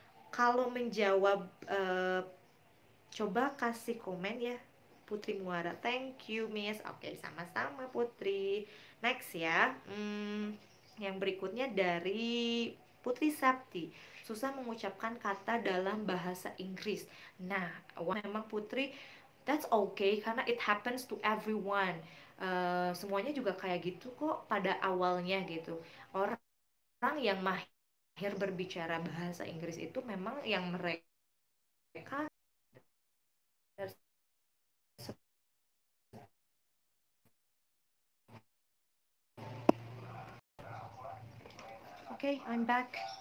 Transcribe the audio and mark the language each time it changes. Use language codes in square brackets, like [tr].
[id] Kalau menjawab, coba kasih komen ya, Putri Muara. [en] Thank you, Miss. [id] Oke, sama-sama, Putri. Next ya. Yang berikutnya dari Putri Sapti. Susah mengucapkan kata dalam bahasa Inggris. Nah, memang Putri, that's okay karena [en] it happens to everyone. [id] Semuanya juga kayak gitu kok pada awalnya gitu. Orang yang mahir berbicara bahasa Inggris itu memang yang mereka [en] Okay, I'm back.